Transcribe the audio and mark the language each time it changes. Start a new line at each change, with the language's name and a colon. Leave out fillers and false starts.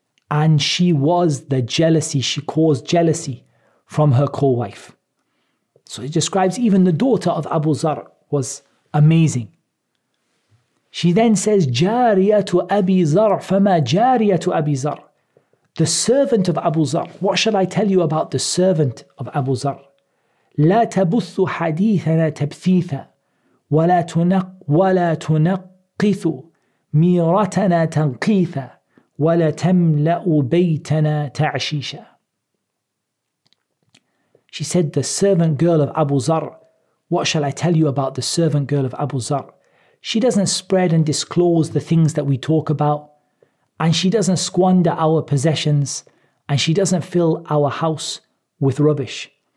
English: And she was the jealousy, she caused jealousy from her co-wife. So it describes even the daughter of Abu Zar was amazing. She then says,
Arabic: Jariyatu Abi Zar, fama Jariyatu Abi Zar,
English: the servant of Abu Zar. What shall I tell you about the servant of Abu Zar?
Arabic: لا تبث حديثنا تبثيثا ولا تنق ولا تنقث ميرتنا تنقيثا ولا تملأ بيتنا تعشيشا.
English: She said, the servant girl of Abu Zar, what shall I tell you about the servant girl of Abu Zar? She doesn't spread and disclose the things that we talk about, and she doesn't squander our possessions, and she doesn't fill our house with rubbish.